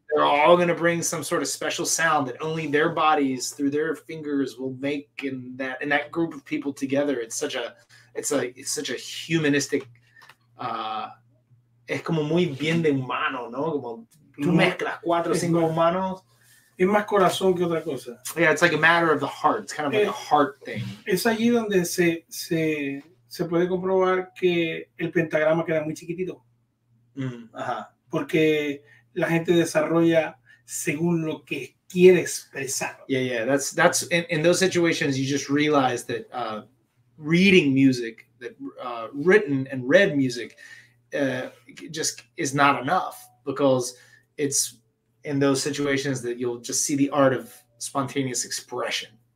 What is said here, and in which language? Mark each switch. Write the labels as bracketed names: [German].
[English] They're all going to bring some sort of special sound that only their bodies through their fingers will make in that group of people together. It's such a humanistic, [Spanish] es como muy bien de humano, ¿no? Como tú mezclas cuatro o cinco humanos. Es más corazón que otra cosa. [English] Yeah, it's like a matter of the heart. It's kind of like a heart thing. [Spanish] Es allí donde se puede comprobar que el pentagrama queda muy chiquitito. Mm, ajá. Porque la gente desarrolla según lo que quiere expresar. Yeah, yeah. [English] That's in those situations you just realize that reading music, that written and read music, just is not enough, because it's in those situations that you'll just see the art of spontaneous expression.